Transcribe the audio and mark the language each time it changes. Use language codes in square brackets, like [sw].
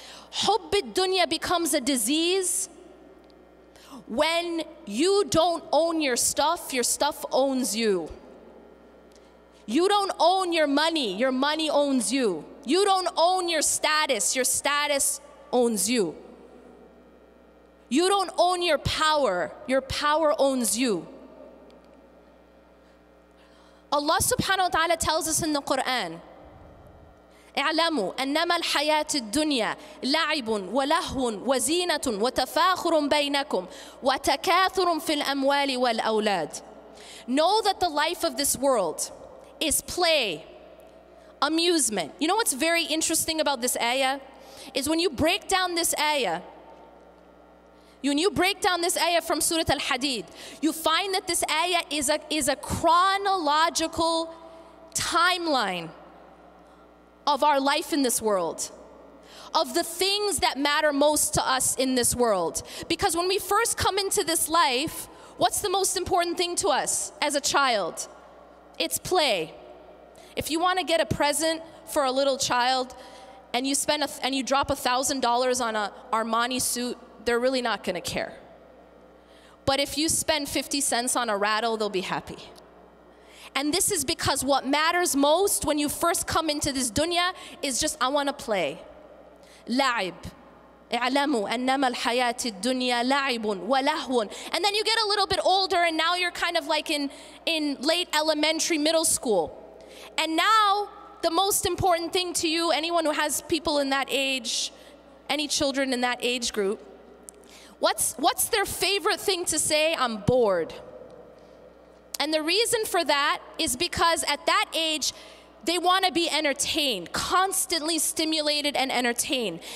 [en] Hubb ad-dunya becomes a disease when you don't own your stuff owns you. You don't own your money owns you. You don't own your status owns you. You don't own your power owns you. Allah subhanahu wa ta'ala tells us in the Quran, [ar] اعلموا أنما الحياة الدنيا لعب ولهو وزينة وتفاخر بينكم وتكاثر في الأموال والأولاد. [en] Know that the life of this world is play, amusement. You know what's very interesting about this ayah? Is when you break down this ayah, when you break down this ayah from Surah Al-Hadid, you find that this ayah is a chronological timeline of our life in this world, of the things that matter most to us in this world. Because when we first come into this life, what's the most important thing to us as a child? It's play. If you want to get a present for a little child and you spend and you drop $1,000 on an Armani suit, they're really not going to care. But if you spend 50 cents on a rattle, they'll be happy. And this is because what matters most when you first come into this dunya is just, I want to play. [ar] لعب. اعلموا أنما الحياة الدنيا لعب ولهو. [en] And then you get a little bit older and now you're kind of like in late elementary, middle school. And now the most important thing to you, anyone who has people in that age, any children in that age group, What's their favorite thing to say? I'm bored. And the reason for that is because at that age, they want to be entertained, constantly stimulated and entertained.